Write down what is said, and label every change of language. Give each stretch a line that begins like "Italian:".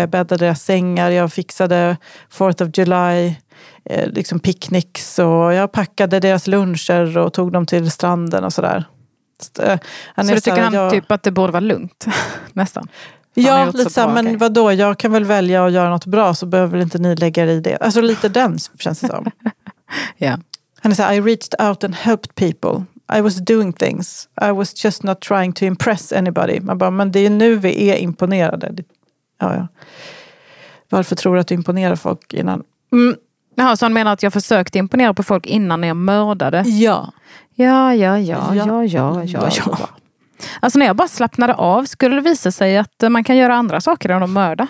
Swedish: Jag bäddade deras sängar. Jag fixade 4th of July liksom picknicks och jag packade deras luncher och tog dem till stranden och så där. Så du tycker att det borde vara lugnt nästan. Ja, lite så här, men vadå, jag kan väl välja att göra något bra så behöver väl inte ni lägga i det. Alltså lite den känns det som. Yeah. Han är så här,
English: I reached out and helped people. I was doing things. I was just not trying to impress anybody.
Swedish: Man bara, men det är nu vi är imponerade. Ja, ja. Varför tror du att du imponerar folk innan? Mm. Jaha, så han menar att jag försökte imponera på folk innan jag mördade? Ja. Ja, ja, ja, ja, ja, ja, ja, ja. Alltså när jag bara slappnade av skulle det visa sig att man kan göra andra saker än att mörda.